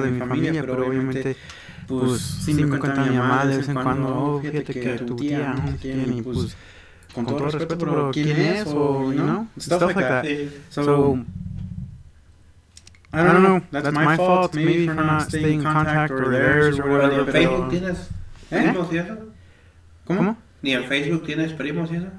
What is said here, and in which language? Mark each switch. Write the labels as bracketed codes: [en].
[es] No, no me acuerdo de qué comía. Pues sí, me cuenta mi mamá de vez en cuando, fíjate que tu tía, ¿no? ¿Quién? Y pues, con todo respeto, bro, ¿quién es? [en] O, you know, stuff like that. So, I don't know, that's my fault, maybe for not staying in contact, or theirs, or whatever. ¿Ni en Facebook tienes primos y eso? ¿Ni en Facebook tienes primos y eso?